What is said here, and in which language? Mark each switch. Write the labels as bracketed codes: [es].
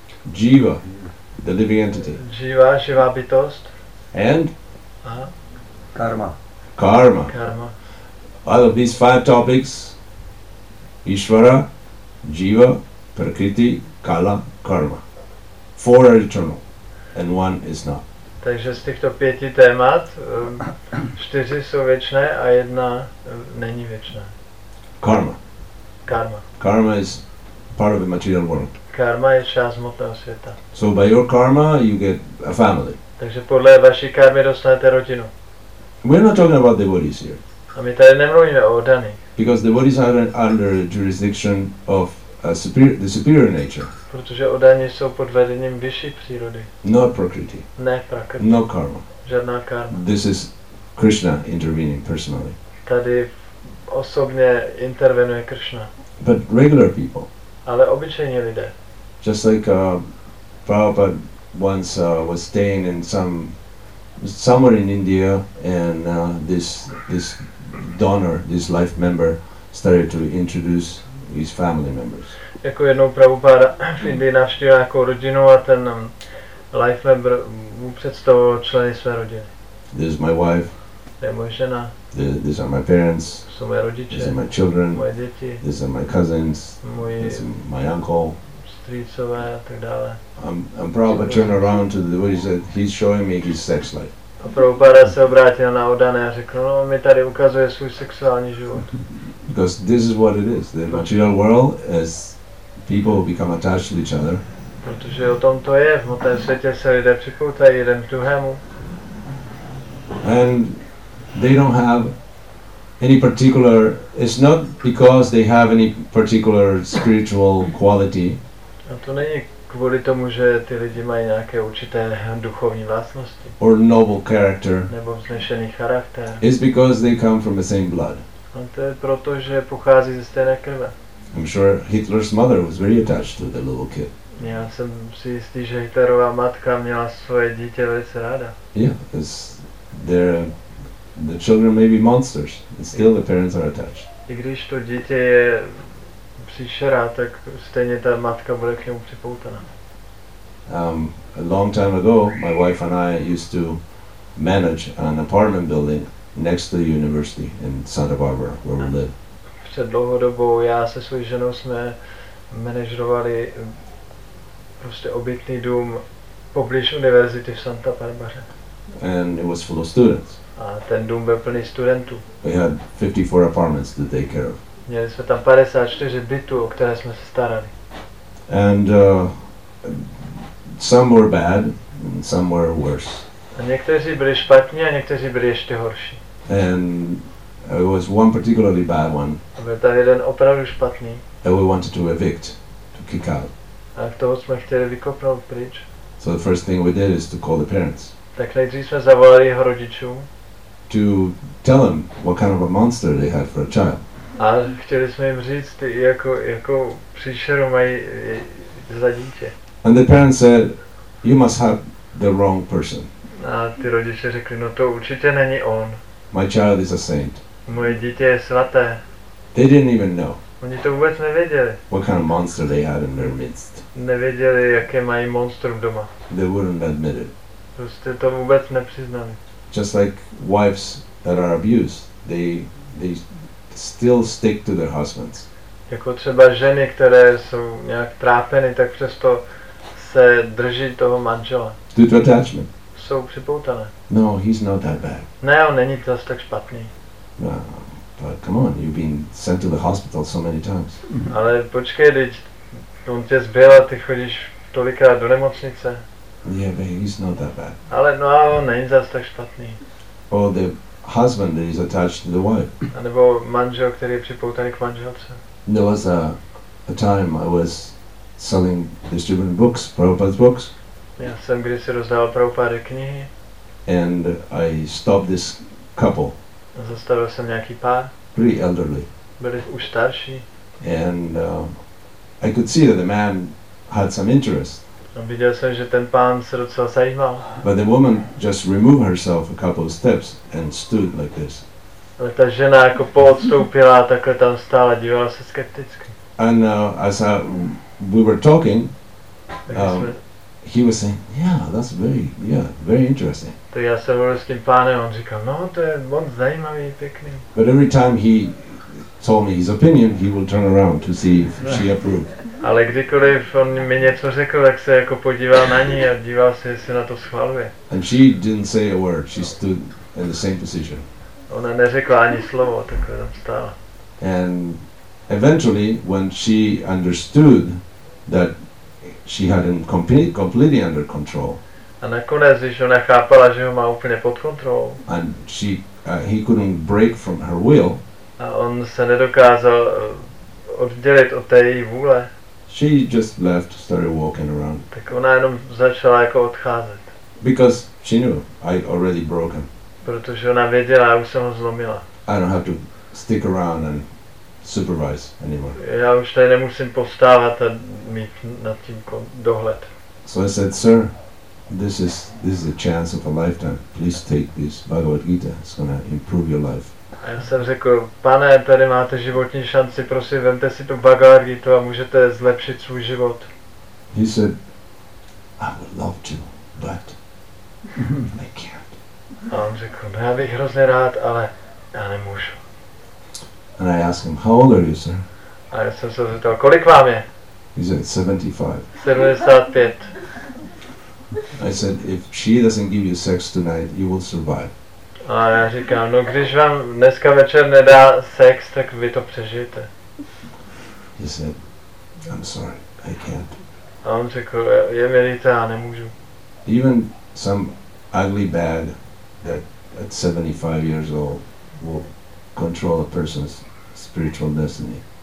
[en] Jiva. The living entity. [cs] Jiva, živá bytost. [en] And? Karma. Karma. Karma. Out of these five topics, Ishvara, Jiva, Prakriti, Kala, Karma. Four are eternal and one is not. [cs] Takže z těchto pěti témat, čtyři jsou věčné a jedna není věčná. [en] Karma. Karma. Karma is part of the material world. [cs] Karma je část hmotného světa. [en] So by your karma, you get a family. [cs] Takže podle vaší karmy dostanete rodinu. [en] We're not talking about devotees here. [cs] A my tady nemluvíme o daných. [en] Because devotees are under the jurisdiction of the superior nature. [cs] Protože odaní jsou pod vedením vyšší přírody. [en] No prakriti. [cs] Ne prakriti. [en] No karma. [cs] Žádná karma. [en] This is Krishna intervening personally. [cs] Tady osobně intervenuje Krishna. [en] But regular people. [cs] Ale obyčejní lidé. [en] Just like Prabhupada once was staying in somewhere in India, and this donor, this life member, started to introduce his family members. [cs] Jako jednou Prabhupada v Indii navštívil nějakou rodinu a ten life member mu představoval členy své rodiny. [en] This is my wife. [cs] To je moje žena. [en] These are my parents. [cs] Jsou moje rodiče. [en] These are my children. [cs] Moje děti. [en] These are my cousins. My uncle. [cs] Strýcové a tak dále. [en] I'm Prabhupada turned around to the devotees and he's showing me his sex life. [cs] A Prabhupada se obrátil na odané a řekl, no mi tady ukazuje svůj sexuální život. [en] Because this is what it is. The material world is people who become attached to each other. [cs] Protože o tom to je. V hmotném světě se lidé připoutají jeden k druhému. [en] And they don't have any particular, it's not because they have any particular spiritual quality. [cs] A to není kvůli tomu, že ty lidi mají nějaké určité duchovní vlastnosti. [en] Or noble character. [cs] Nebo vznešený charakter. [en] It's because they come from the same blood. [cs] A to je proto, že pochází ze stejné krve. [en] I'm sure Hitler's mother was very attached to the little kid. [cs] Já jsem si jistý, že Hitlerova matka měla svoje dítě velice ráda. [en] Yeah, it's there. The children may be monsters, but still the parents are attached. [cs] I když to dítě je příšera, tak stejně ta matka bude k němu připoutaná. [en] A long time ago, my wife and I used to manage an apartment building next to the university in Santa Barbara, where we live. [cs] Před dlouhou dobou já se svou ženou jsme manažovali prostě obytný dům poblíž univerzity v Santa Barbara. [en] And it was full of students. [cs] A ten dům byl plný studentů. [en] We had 54 apartments to take care of. [cs] Měli jsme tam 54 bytů, o které jsme se starali. [en] And some were bad, and some were worse. [cs] A někteří byli špatní, a někteří byli ještě horší. [en] And it was one particularly bad one. [cs] A byl tam jeden opravdu špatný. [en] And we wanted to evict, to kick out. [cs] A toho jsme chtěli vykopnout pryč. [en] So the first thing we did is to call the parents. [cs] Tak nejdřív jsme zavolali jeho rodičům. [en] To tell them what kind of a monster they had for a child. [cs] A chtěli jsme jim říct, jako příšeru mají za dítě. [en] And the parents said, you must have the wrong person. [cs] A ty rodiče řekli, no to určitě není on. [en] My child is a saint. [cs] Moje dítě je svaté. [en] They didn't even know. [cs] Oni to vůbec nevěděli. [en] What kind of monster they had in their midst. [cs] Nevěděli, jaké mají monstrum doma. [en] They wouldn't admit it. [cs] Prostě to vůbec nepřiznali. [en] Just like wives that are abused, they still stick to their husbands. [cs] Jako třeba ženy, které jsou nějak trápeny, tak přesto se drží toho manžela. [en] Do to attachment. [cs] Jsou připoutané. [en] No, he's not that bad. [cs] Ne, on není zas tak špatný. [en] No, but come on, you've been sent to the hospital so many times. [cs] Ale počkej, teď on tě zbyl a ty chodíš tolikrát do nemocnice. [en] Yeah, but he's not that bad. [cs] Ale no, a on není zas tak špatný. [en] Or the husband that is attached to the wife. [cs] A nebo manžel, který je připoutaný k manželce. [en] There was a time I was selling distributing books, Prabhupada's books. [cs] Já jsem kdysi rozdával Prabhupada knihy. [en] And I stopped this couple. [cs] A zastavil jsem nějaký pár. [en] Pretty elderly. [cs] Byli už starší. [en] And I could see that the man had some interest. [cs] A viděl jsem, že ten pán se docela zajímal. [en] But the woman just removed herself a couple of steps and stood like this. [cs] Ale ta žena jako poodstoupila a takhle tam stála, dívala se skepticky. [en] And as we were talking, he was saying, yeah, that's very, yeah, very interesting. [cs] Tak já jsem mluvil s tím pánem, on říkal, no, to je moc zajímavý, pěkný. [en] But every time he told me his opinion, he will turn around to see if she approved. [cs] Ale kdykoliv on mi něco řekl, tak se jako podíval na ní a díval se, jestli na to schvaluje. [en] And she didn't say a word, she stood in the same position. [cs] Ona neřekla ani slovo, takhle tam stála. [en] And eventually, when she understood that she had him completely under control. [cs] A nakonec, když ona chápala, že ho má úplně pod kontrolou. [en] And she, he couldn't break from her will. [cs] A on se nedokázal oddělit od té její vůle. [en] She just left, started walking around. [cs] Tak ona jenom začala jako odcházet. [en] Because she knew, I already broken. [cs] Protože ona věděla, já už jsem ho zlomila. [en] I don't have to stick around and supervise anymore. [cs] Já už tady nemusím postávat a mít nad tím dohled. [en] So I said, sir, this is a chance of a lifetime. Please take this Bhagavad Gita. It's gonna improve your life. [cs] A já jsem řekl, pane, tady máte životní šanci, prosím, vemte si tu Bhagavad Gita a můžete zlepšit svůj život. [en] He said, I would love to, but I can't. [cs] A on řekl, no já bych hrozně rád, ale já nemůžu. [en] And I asked him, how old are you, sir? [cs] A já jsem se zeptal, kolik vám je? [en] He said, 75. [cs] 75. [en] I said, if she doesn't give you sex tonight, you will survive. [cs] A já říkám, no když vám dneska večer nedá sex, tak vy to přežijete. [en] He said, I'm sorry, I can't. [cs] A on řekl, je mi líto, já nemůžu. [en] Even some ugly bad that at 75 years old will control a person's spiritual destiny.